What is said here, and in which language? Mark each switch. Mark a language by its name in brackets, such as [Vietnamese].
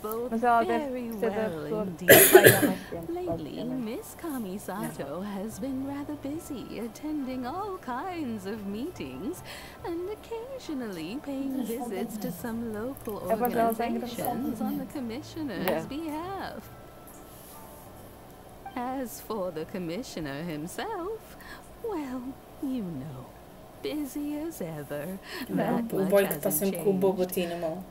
[Portuguese] Mas ela deve ser da pessoa que tem mais tempo. [English] Lately, Miss Kamisato has been rather busy attending all kinds of meetings and occasionally paying visits to some local organizations on the commissioner's behalf. As for the commissioner himself, well, you know. Busy as ever. [Portuguese] O boy que está sempre com o Bobotinho na mão.